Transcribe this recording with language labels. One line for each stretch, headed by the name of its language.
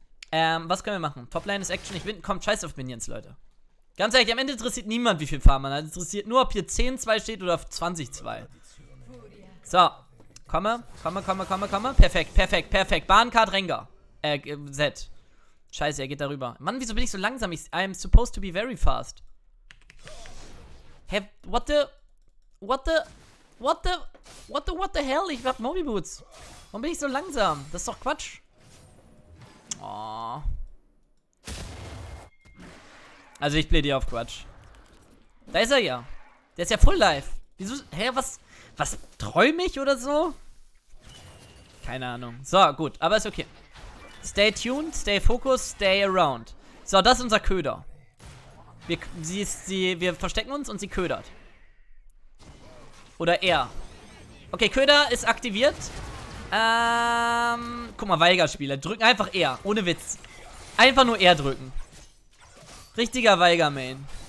German: Was können wir machen? Toplane ist Action, ich bin. Kommt scheiß auf Minions, Leute. Ganz ehrlich, am Ende interessiert niemand, wie viel Farm man hat. Interessiert nur, ob hier 10-2 steht oder 20-2. So. Komme. Perfekt. Bahncard Rengar. Z. Scheiße, er geht darüber. Mann, wieso bin ich so langsam?
English: I'm supposed to be very fast. What the hell?
German: Ich hab Moby Boots. Warum bin ich so langsam? Das ist doch Quatsch. Oh. Also ich plädiere auf Quatsch. Da ist er ja. Der ist ja full life. Wieso? Hä, was? Was träume ich oder so? Keine Ahnung. So, gut, aber ist okay.
English: Stay tuned, stay focused, stay around.
German: So, das ist unser Köder. Wir verstecken uns und sie ködert. Oder er. Okay, Köder ist aktiviert. Guck mal, Weigerspieler. Drücken einfach er. Ohne Witz. Einfach nur er drücken. Richtiger Weiger-Main.